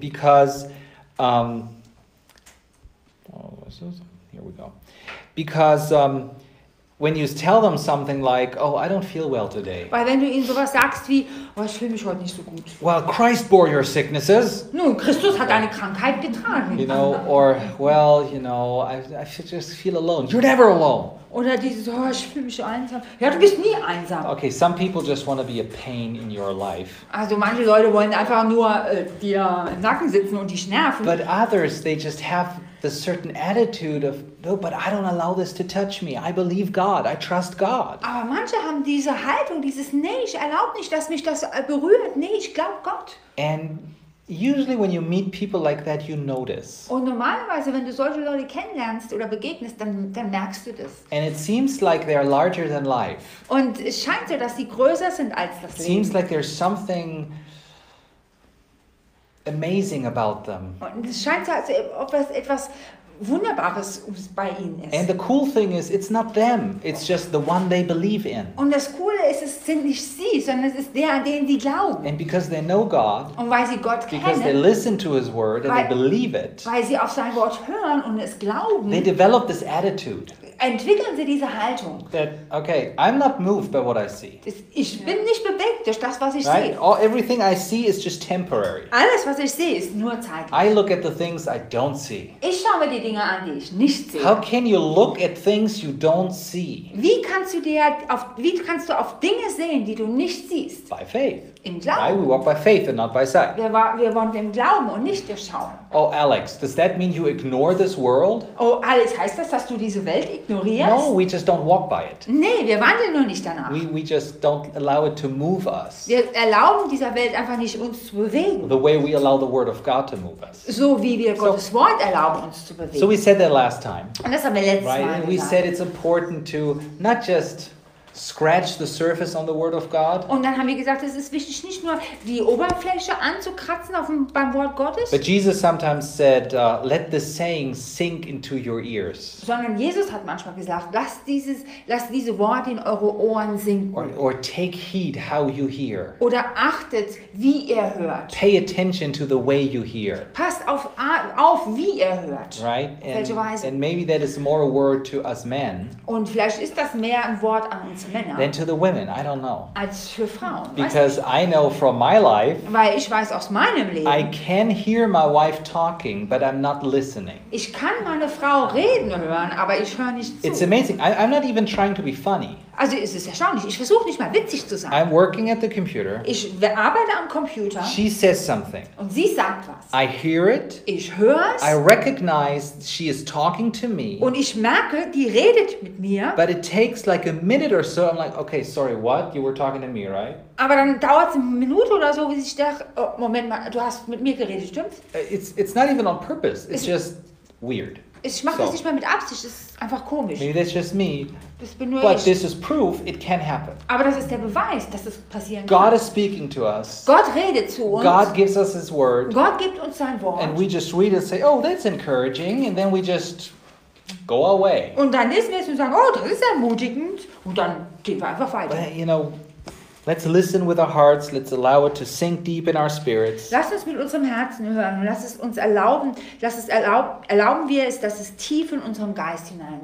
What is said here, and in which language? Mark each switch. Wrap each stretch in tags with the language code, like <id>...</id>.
<en>Because, what was this? Here we go. Because when you tell them something like, oh, I don't feel well today.</en> <de>Weil wenn du ihnen sowas sagst wie, oh, ich fühle mich heute nicht so gut.</de> <en>Well, Christ bore your sicknesses.</en> <de>Nun, Christus hat deine Krankheit getragen.</de> <en>You know, or, well, you know, I just feel alone. You're never alone.</en> <de>Oder dieses, oh, ich fühle mich einsam. Ja, du bist nie einsam.</de> <en>Okay, some people just want to be a pain in your life.</en> <de>Also manche Leute wollen einfach nur dir im Nacken sitzen und dich nerven.</de> <en>But others, they just have a certain attitude of, no, but I don't allow this to touch me. I believe God. I trust God.</en> <de>Aber manche haben diese Haltung, dieses, nee, ich erlaube nicht, dass mich das berührt. Nee, ich glaube Gott.</de> <en>And usually when you meet people like that, you notice.</en> <de>Und normalerweise, wenn du solche Leute kennenlernst oder begegnest, dann merkst du das.</de> <en>And it seems like they are larger than life.</en> <de>Und es scheint so, dass sie größer sind als das</de> <en>it</en> <de>Leben.</de> <en>Seems like there's something amazing about them.</en> <de>Und es scheint so, als ob es etwas Wunderbares bei ihnen ist.</de> <en>And the cool thing is, it's not them. It's just the one they believe in.</en> <de>Und das Coole ist, es sind nicht sie, sondern es ist der, an den sie glauben.</de> <en>And because they know God.</en> <de>Und weil sie Gott kennen.</de> <en>Because they listen to His word and they believe it.</en> <de>Weil sie auf sein Wort hören und es glauben.</de> <en>They develop this attitude.</en> <de>Entwickeln sie diese Haltung.</de> <en>That, okay, I'm not moved by what I see.</en> <de>Ich bin nicht bewegt durch das, was ich</de> <en>right?</en> <de>sehe.</de> <en>All, everything I see is just temporary.</en> <de>Alles, was ich sehe, ist nur zeitlich.</de> <en>I look at the things I don't see.</en> <de>Ich schaue mir die Dinge an, die ich nicht sehe.</de> <en>How can you look at things you don't see?</en> <de>Wie kannst du auf Dinge sehen, die du nicht siehst?</de> <en>By faith.</en> <de>Im Glauben.</de> <en>We walk by faith and not by sight.</en> <de>Wir wollen im Glauben und nicht durch Schauen.</de> <en>Oh, Alex, does that mean you ignore this world?</en> <de>Oh, Alex, heißt das, dass du diese Welt ignorierst?</de> <en>No, we just don't walk by it.</en> <de>Nee, wir wandeln nur nicht danach.</de> <en>We just don't allow it to move us.</en> <de>Wir erlauben dieser Welt einfach nicht, uns zu bewegen.</de> <en>The way we allow the word of God to move us.</en> <de>So wie wir Gottes Wort erlauben, uns zu bewegen.</de> <en>So we said that last time.</en> <de>Und das haben wir letztes</de> <en>right?</en> <de>Mal gesagt.</de> <en>We said it's important to not just scratch the surface on the word of God.</en> <de>Und dann haben wir gesagt, es ist wichtig, nicht nur die Oberfläche anzukratzen beim Wort Gottes.</de> <en>But Jesus sometimes said, let the saying sink into your ears.</en> <de>Sondern Jesus hat manchmal gesagt, lass diese Worte in eure Ohren sinken.</de> <en>Or take heed how you hear.</en> <de>Oder achtet, wie ihr hört.</de> <en>Pay attention to the way you hear.</en> <de>Passt auf wie ihr hört.</de> <en>Right?</en> <de>Welche Weise.</de> <en>And maybe that is more a word to us men.</en> <de>Und vielleicht ist das mehr ein Wort an uns.</de> <en>Then to the women, I don't know.</en> <de>Als für Frauen.</de> <en>Because I know from my life.</en> <de>Weil ich weiß aus meinem Leben.</de> <en>I can hear my wife talking, but I'm not listening.</en> <de>Ich kann meine Frau reden hören, aber ich höre nicht zu.</de> <en>It's amazing. I'm not even trying to be funny.</en> <de>Also es ist erstaunlich. Ich versuche nicht mal witzig zu sein.</de> <en>I'm working at the computer.</en> <de>Ich arbeite am Computer.</de> <en>She says something.</en> <de>Und sie sagt was.</de> <en>I hear it.</en> <de>Ich höre es.</de> <en>I recognize she is talking to me.</en> <de>Und ich merke, die redet mit mir.</de> <en>But it takes like a minute or so. I'm like, okay, sorry, what? You were talking to me, right?</en> <de>Aber dann dauert es eine Minute oder so, wie ich dachte, oh, Moment mal, du hast mit mir geredet, stimmt's?</de> <en>It's not even on purpose. It's just weird.</en> <de>Ich mache das nicht mal mit Absicht. Das ist einfach komisch.</de> <en>Maybe that's just me.</en> <de>Das bin nur</de> <en>but</en> <de>ich.</de> <en>This is proof it can happen.</en> <de>Aber das ist der Beweis, dass es passieren kann.</de> <en>God is speaking to us.</en> <de>Gott redet zu uns.</de> <en>God gives us His word.</en> <de>Gott gibt uns sein Wort.</de> <en>And we just read and say, oh, that's encouraging, and then we just go away.</en> <de>Und dann lesen wir es und sagen, oh, das ist ermutigend, und dann gehen wir einfach weiter.</de> <en>But, you know, let's listen with our hearts. Let's allow it to sink deep in our spirits.</en> <de>Lass uns mit unserem Herzen hören. Lass es uns erlauben. Erlauben wir es, dass es tief in unserem Geist hinein.</de>